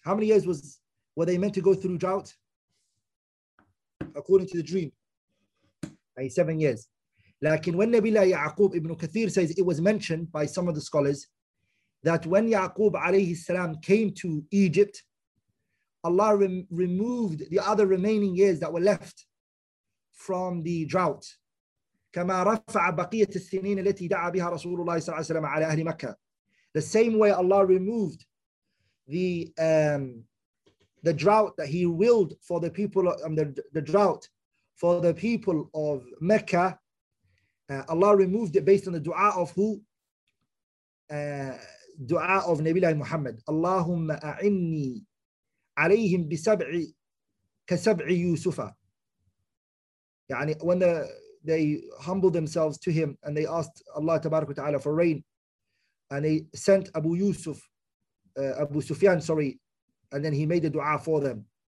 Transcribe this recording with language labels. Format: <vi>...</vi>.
<en>How many years were they meant to go through drought? According to the dream. 7 years. Lakin when Nabila Ya'qub, Ibn Kathir says, it was mentioned by some of the scholars that when Ya'qub alayhi salam came to Egypt, Allah removed the other remaining years that were left from the drought.</en> <ar>كما رفع بقية السنين التي دعا بها رسول الله صلى الله عليه وسلم على أهل مكة.</ar> <en>The same way Allah removed the drought that He willed for the people, the drought for the people of Mecca. Allah removed it based on the dua of who? Dua of Nabila Muhammad. Allahumma a'inni</en> <ar>عليهم بسبعي كسبعي يوسفا.</ar> <en>يعني when they humbled themselves to him and they asked Allah تبارك وتعالى for rain, and they sent Abu Yusuf, Abu Sufyan, sorry, and then he made a dua for them.</en>